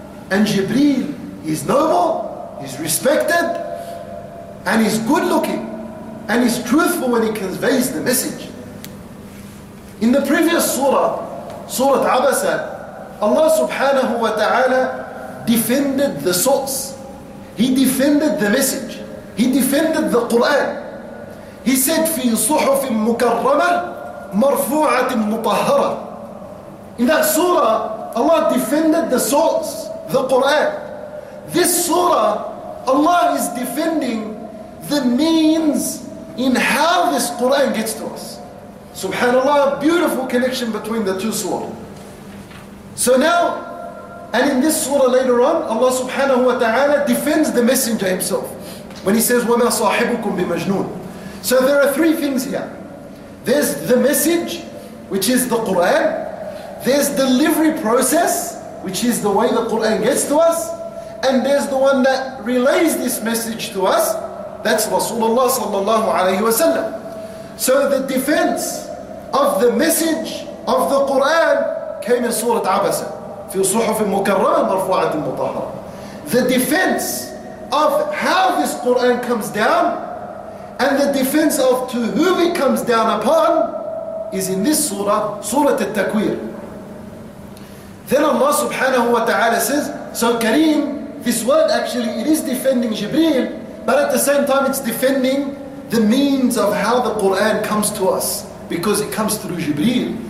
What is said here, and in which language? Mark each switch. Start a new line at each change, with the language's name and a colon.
English: And Jibreel is noble, he's respected, and he's good looking, and he's truthful when he conveys the message. In the previous surah, Surah Abasa, Allah subhanahu wa ta'ala defended the source. He defended the message. He defended the Quran. He said,
Arabic: في صحف مكرمة مرفوعة مطهرة.
English: In that surah, Allah defended the source, the Quran. This surah, Allah is defending the means in how this Quran gets to us. Subhanallah, beautiful connection between the two surah. So now, and in this surah later on, Allah subhanahu wa ta'ala defends the messenger himself when he says,
Arabic: وَمَا صَاحِبُكُمْ بِمَجْنُونَ.
English: So there are three things here. There's the message, which is the Quran. There's the delivery process, which is the way the Quran gets to us. And there's the one that relays this message to us. That's Rasulullah sallallahu alayhi wa sallam. So the defense of the message of the Quran came in Surah Abasa.
Arabic: في صحف مكرمة مرفوعة مطهرة.
English: The defense of how this Quran comes down and the defense of to whom it comes down upon is in this surah, Surah At-Takwir. Then Allah subhanahu wa ta'ala says, so Kareem, this word actually, it is defending Jibreel, but at the same time it's defending the means of how the Quran comes to us, because it comes through Jibreel.